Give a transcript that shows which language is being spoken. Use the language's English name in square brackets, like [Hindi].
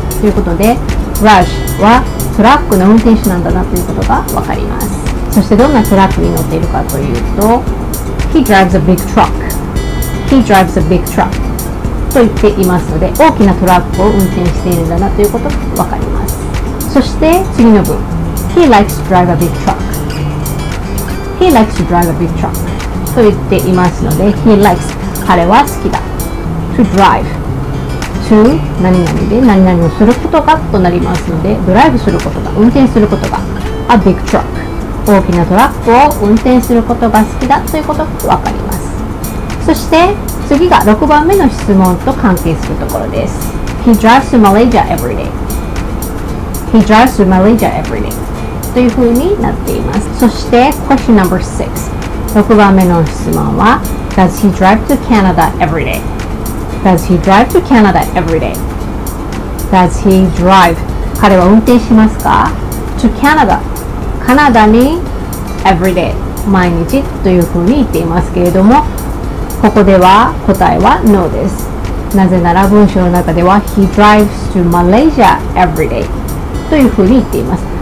[Japanese] ということで、Raj はトラックの運転手なんだなということがわかります。そしてどんなトラックに乗っているかというと、 [English] He drives a big truck. He drives a big truck. [Japanese] と言っていますので、大きなトラックを運転しているんだなということがわかります。そして次の文。 [English] He likes to drive a big truck. He likes to drive a big truck. [Japanese] と言っていますので、 [English] He likes. [Japanese] 彼は好きだ。 [English] To drive. [Japanese] To 何々で何々をすることがとなりますので、ドライブすることが、運転することが。 [English] A big truck. [Japanese] 大きなトラックを運転することが好きだということがわかります。そして次が6番目の質問と関係するところです。 [English] He drives to Malaysia every day. He drives to Malaysia every day. [Japanese] というふうになっています。そして [English] question number 6、 [Japanese] 6番目の質問は [English] Does he drive to Canada every day? Does he drive to Canada every day? Does he drive? [Japanese] 彼は運転しますか？ [English] To Canada [Japanese] カナダに [English] every day [Japanese] 毎日というふうに言っていますけれども、ここでは答えは no です。なぜなら文章の中では [English] He drives to Malaysia every day [Japanese] というふうに言っています。